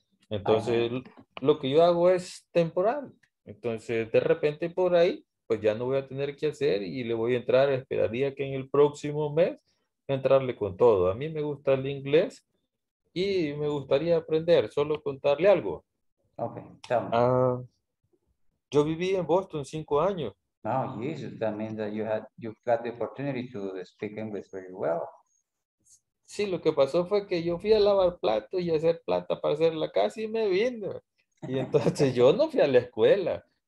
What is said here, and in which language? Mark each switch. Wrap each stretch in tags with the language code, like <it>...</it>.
<es>Entonces, lo que yo hago es temporal. Entonces, de repente por ahí, pues ya no voy a tener que hacer y le voy a entrar, esperaría que en el próximo mes, entrarle con todo. A mí me gusta el inglés y me gustaría aprender, solo contarle algo.</es> <en>Ok, tell me.</en> <es>Yo viví en Boston 5 años.</es> <en>Oh, Jesus, that means that you've got the opportunity to speak English very well.</en> <es>Sí, lo que pasó fue que yo fui a lavar platos y a hacer plata para hacer la casa y me vine. Y entonces yo no fui a la escuela.</es>